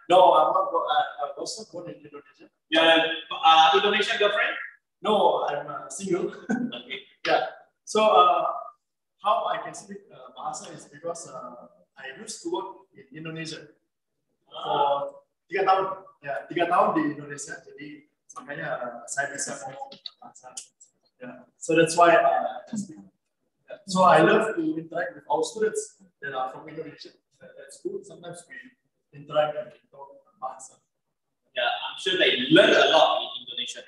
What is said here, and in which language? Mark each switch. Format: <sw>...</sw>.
<en>No, I'm not. I was not born in Indonesia. Yeah. Indonesian girlfriend? No, I'm single. Okay. Yeah. So how I can speak bahasa is because I used to work in Indonesia for 3 tahun.</en> <id>Yeah, 3 tahun di Indonesia. Jadi makanya saya bisa ngomong bahasa.</id> <en>Yeah. So that's why I speak. So I love to interact with our students that are from Indonesia. At school, sometimes we interact and we talk bahasa. Yeah, I'm sure they learn a lot in Indonesia.</en>